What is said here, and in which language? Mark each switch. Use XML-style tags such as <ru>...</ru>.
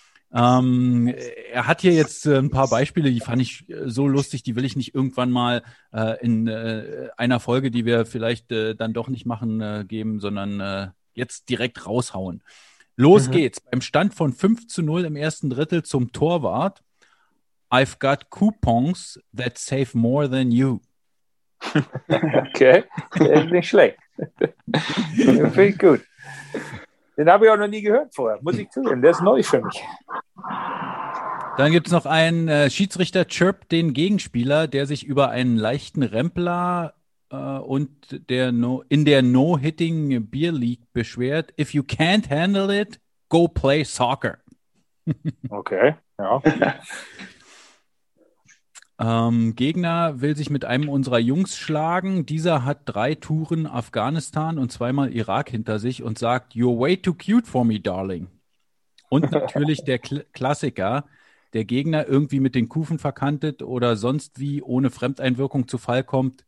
<de>Er hat hier jetzt ein paar Beispiele, die fand ich so lustig, die will ich nicht irgendwann mal in einer Folge, die wir vielleicht dann doch nicht machen, geben, sondern jetzt direkt raushauen. Los geht's. Beim Stand von 5:0 im ersten Drittel zum Torwart.</de> <en>I've got coupons that save more than you.</en> <de>Okay, nicht schlecht. Finde ich gut. Den habe ich auch noch nie gehört vorher, muss ich zugeben. Der ist neu für mich. Dann gibt es noch einen Schiedsrichter, chirpt den Gegenspieler, der sich über einen leichten Rempler und der no in der No-Hitting Beer League beschwert.</de> <en>If you can't handle it, go play soccer.</en> <de>Okay, ja. Gegner will sich mit einem unserer Jungs schlagen. Dieser hat 3 Touren Afghanistan und 2-mal Irak hinter sich und sagt,</de> <en>You're way too cute for me, darling.</en> <de>Und natürlich der Klassiker, der Gegner irgendwie mit den Kufen verkantet oder sonst wie ohne Fremdeinwirkung zu Fall kommt.</de>